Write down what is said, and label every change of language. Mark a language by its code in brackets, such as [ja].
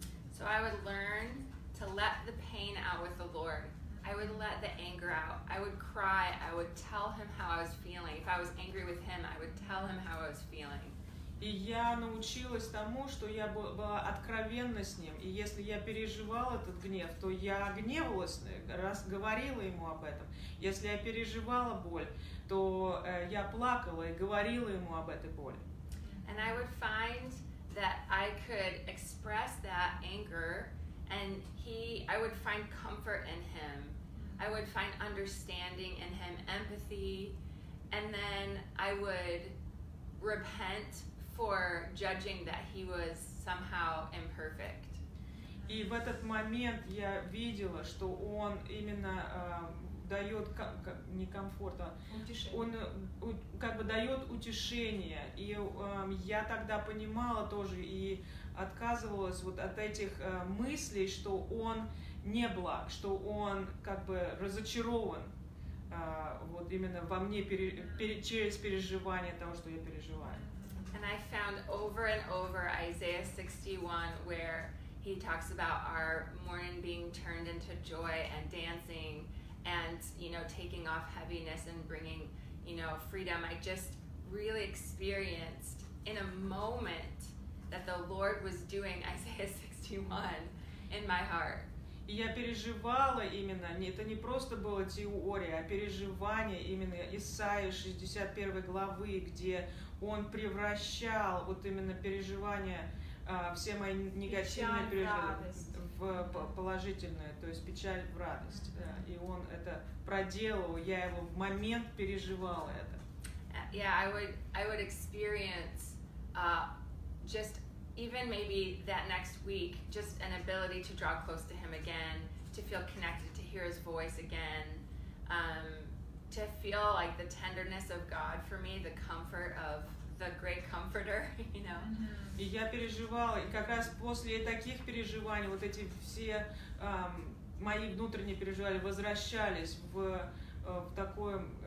[en] So I would learn to let the pain out with the Lord. I would let the anger out. I would cry. I would tell Him how I was feeling. If I was angry with Him, I would tell Him how I was feeling. [ru] И я научилась тому, что я была откровенна с Ним. И если я переживала этот гнев, то я гневалась, раз говорила Ему об этом. Если я переживала боль, то я плакала и говорила Ему об этой боли. [en] And I would find that I could express that anger, and I would find comfort in Him. I would find understanding in Him, empathy, and then I would repent for judging that He was somehow imperfect. [ru] И в этот момент я видела, что Он именно дает не комфорта, Он как бы дает утешение, и я тогда понимала тоже и отказывалась вот от этих мыслей, что Он не благ, что Он как бы разочарован вот именно во мне через переживание того, что я переживаю. [en] And I found over and over Isaiah 61, where he talks about our mourning being turned into joy and dancing and, you know, taking off heaviness and bringing, you know, freedom. I just really experienced in a moment that the Lord was doing Isaiah 61 in my heart. [ru] И я переживала именно, это не просто была теория, а переживание именно Исаии 61 главы, где Он превращал вот именно переживание все мои негативные переживания в положительное, то есть печаль в радость. Mm-hmm. И он это проделал, я его в момент переживала это. [en] Yeah, I would experience just even maybe that next week, just an ability to draw close to him again, to feel connected, to hear his voice again, to feel like the tenderness of God for me, the comfort of the great comforter, you know. [ru] И я переживала, и как раз после таких переживаний вот эти все мои внутренние переживания возвращались в такое